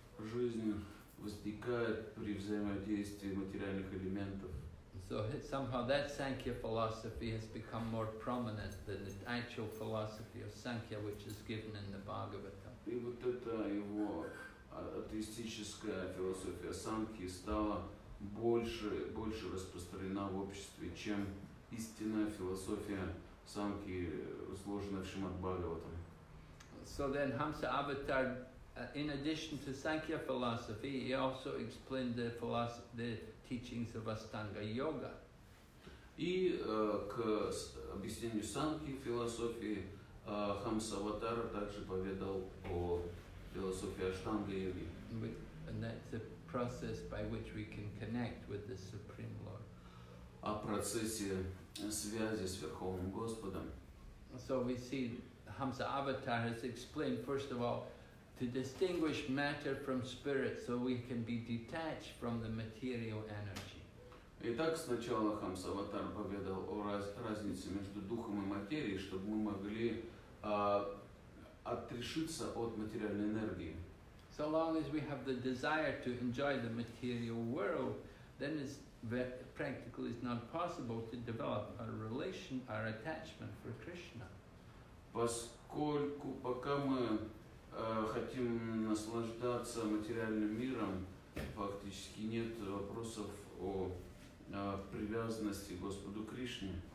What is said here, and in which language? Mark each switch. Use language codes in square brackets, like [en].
[ru] Жизнь возникает при взаимодействии материальных элементов. [en] So somehow that Sankhya philosophy has become more prominent than the actual philosophy of Sankhya, which is given in the Bhagavatam. [ru] И вот эта его атеистическая философия Санки стала больше распространена в обществе, чем истинная философия самки сложена в Шримад-Бхагаватам. [en] So then Hamsa Avatar, in addition to Sankhya philosophy, he also explained the philosophy, the teachings of Astanga Yoga. [ru] И к объяснению самки философии Хамса Аватар также поведал о философии Аштанга Йоги. [en] And that's the process by which we can connect with the Supreme Lord. [ru] О процессе связи с Верховным Господом. [en] So we see Hamsa Avatar has explained, first of all, to distinguish matter from spirit so we can be detached from the material energy. [ru] Итак, сначала Хамса Аватар поведал о разнице между духом и материей, чтобы мы могли отрешиться от материальной энергии. [en] So long as we have the desire to enjoy the material world, then it's practically it's not possible to develop a relation, our attachment for Krishna. [ru] Поскольку пока мы хотим наслаждаться материальным миром, фактически нет вопросов о привязанности к Господу Кришне.